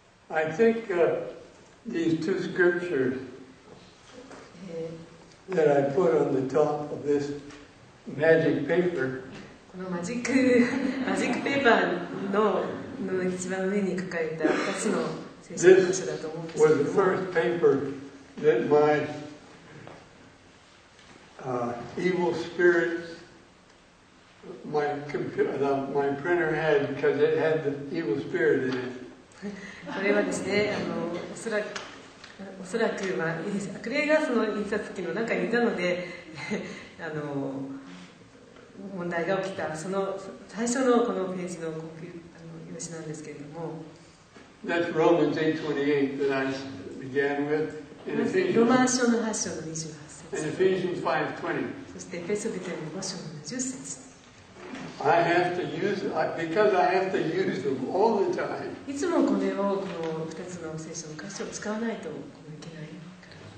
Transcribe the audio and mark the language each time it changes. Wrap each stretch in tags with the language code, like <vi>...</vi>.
<en>I think these two scriptures that I put on the top of this magic paper.</en> <ja>このマジックペーパーのの一番上に書かれた2つの聖書箇所だと思うんですけども。</ja> <en>This was the first paper that my evil spirits, my computer, my printer had, because it had the evil spirit in it.</en> <ja>これはですね、おそらく、まあ、悪霊がその印刷機の中にいたので、問題が起きた、その最初のこのページの用紙なんですけれども。</ja> <en>That's Romans 8:28 that I began with.</en> <ja>ロマン書の8章の28節。</ja> <en>And Ephesians 5:20.</en> <ja>そしてエペソビテの5章の10節。</ja> <en>I have to use it, because I have to use them all the time.</en> <ja>いつもこれをこの2つの聖書の箇所を使わないといけないから。</ja>